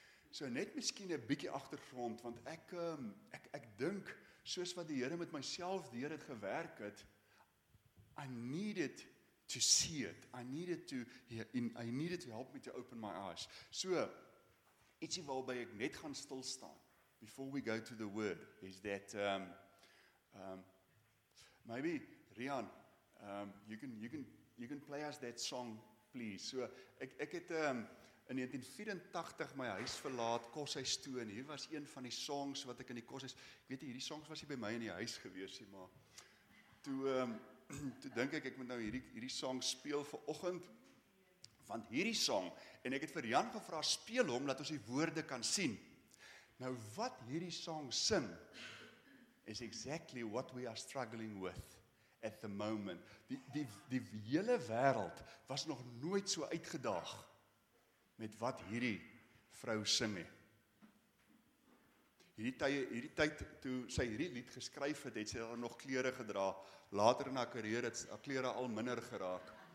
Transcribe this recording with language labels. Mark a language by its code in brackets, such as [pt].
[af] So net miskien 'n bietjie agtergrond, want ek dink soos wat die Here met myself deur dit gewerk het, [en] I needed to see it. I needed to help me to open my eyes. So, [af] ietsie waarby ek net gaan stilstaan, [en] before we go to the word, is that maybe Rian, you can play us that song, please. [af] So, ek het in 1984 my huis verlaat, koshuis toe, en hier was een van die songs wat ek in die koshuis. Ek weet nie, hierdie songs was hier by my in die huis gewees, maar toe dink ek moet nou hierdie song speel vir oggend, want hierdie song, en ek het vir Jan gevra, speel hom, dat ons die woorde kan sien. Nou wat hierdie song sing, [en] is exactly what we are struggling with at the moment. [af] Die hele wêreld was nog nooit so uitgedaag met wat hierdie vrou sing nie. Hierdie tyd toe sy hierdie lied geskryf het, het sy daar nog klere gedra. Later in haar karier het haar klere al minder geraak.